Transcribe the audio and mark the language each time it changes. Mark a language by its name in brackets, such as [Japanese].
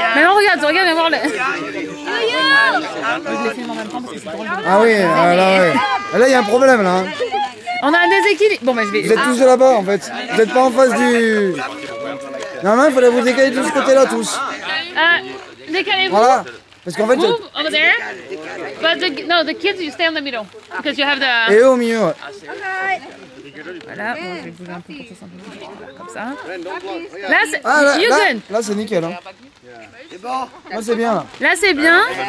[French] Mais non, regarde et voir le. Ah oui, là, ouais. Là, il y a un problème, là. On a un déséquilibre. Bon, mais je vais. Vous êtes tous là-bas, en fait. Vous êtes pas en face du. Normalement, il fallait vous décaler de ce côté-là, tous. Décalez-vous. Voilà. Parce qu'en fait, [English] move over there, but the, no, the kids, you stay in the middle, because you have the... [French] Et au milieu, ouais. [English] Okay. [French] Voilà, bon, je vais bouger un peu pour que ça soit comme ça. Là, c'est... Ah, là, c'est nickel, hein. C'est bon. Là, c'est bien, là. Là, c'est bien.